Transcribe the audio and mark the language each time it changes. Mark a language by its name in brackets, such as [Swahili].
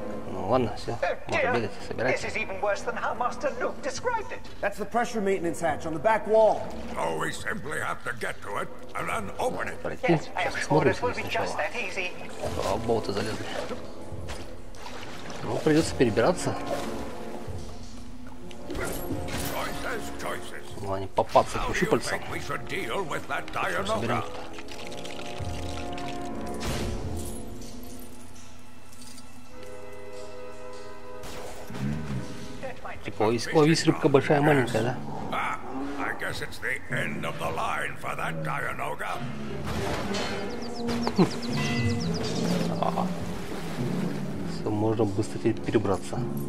[Russian] Ну ладно, все. Можно бегать, собирать. [English] This is even worse than how Master Luke described it. That's the pressure maintenance hatch on the back wall. So we simply have to get to it and then open it. Yes, I am sure it will be just that easy. [Russian] О, болты залезли. Ну, придется перебираться. [English] Choices, choices. [Russian] Ну, они попадутся по щупальцам. [English] How do you think we should deal with that dire nova? [Russian] Ловись, рыбка большая, маленькая, да? [English] I guess it's the end of the line for that Dianoga. [Russian] Все, можно быстро перебраться.